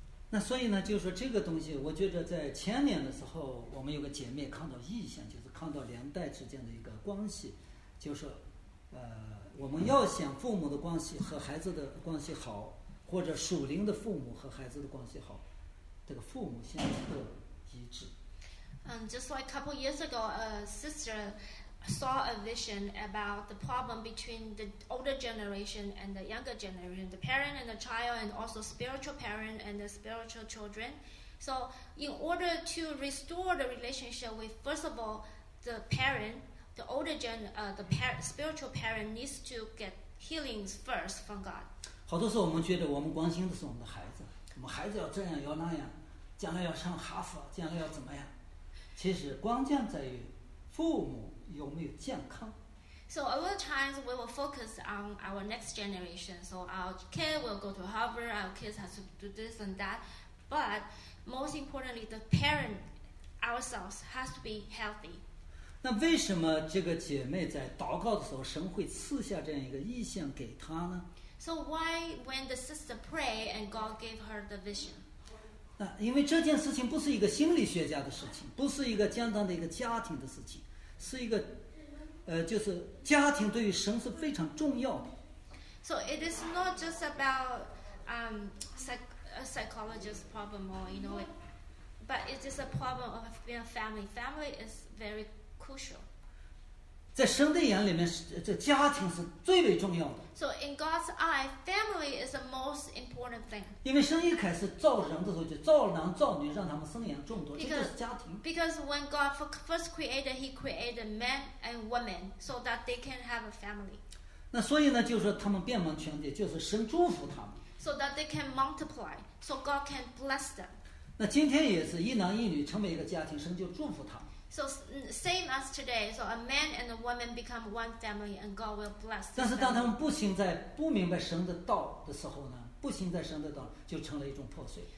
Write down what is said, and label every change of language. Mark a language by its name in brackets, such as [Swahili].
[Chinese] 那所以呢，就是说这个东西，我觉得在前年的时候，我们有个姐妹看到异象，就是看到两代之间的一个关系，就是我们要想父母的关系和孩子的关系好，或者属灵的父母和孩子的关系好，这个父母先要一致。 [English] Just like a couple years ago, a sister saw a vision about the problem between the older generation and the younger generation, the parent and the child, and also spiritual parent and the spiritual children. So in order to restore the relationship with, first of all, the parent, the older spiritual parent needs to get healings first from God. [Chinese] 好多时候我们觉得我们关心的是我们的孩子，我们孩子要这样要那样，将来要上哈佛，将来要怎么样，其实关键在于父母有没有健康。 [English] So a lot of times we will focus on our next generation. So our kid will go to Harvard, our kids have to do this and that. But most importantly, the parent ourselves has to be healthy. [Chinese] 那为什么这个姐妹在祷告的时候，神会赐下这样一个异象给她呢？ [English] So why when the sister pray and God gave her the vision? [Chinese] 那因为这件事情不是一个心理学家的事情，不是一个简单的一个家庭的事情。是一个，就是家庭对于神是非常重要的。 [English] So it is not just about a psychologist problem or you know, but it is a problem of being a family. Family is very crucial. [Chinese] 在神的眼里面，这家庭是最为重要的。 [English] So in God's eye, family is the most important thing. [Chinese] 因为神一开始造人的时候就造男造女，让他们生养众多，这就是家庭。 [English] Because when God first created, He created men and women so that they can have a family. [Chinese] 那所以呢，就是说他们遍满全地，就是神祝福他们。 [English] So that they can multiply, so God can bless them. [Chinese] 那今天也是一男一女成为一个家庭，神就祝福他们。 [English] So same as today, so a man and a woman become one family, and God will bless them. [Chinese] 但是当他们不行在不明白神的道的时候呢，不行在神的道就成了一种破碎。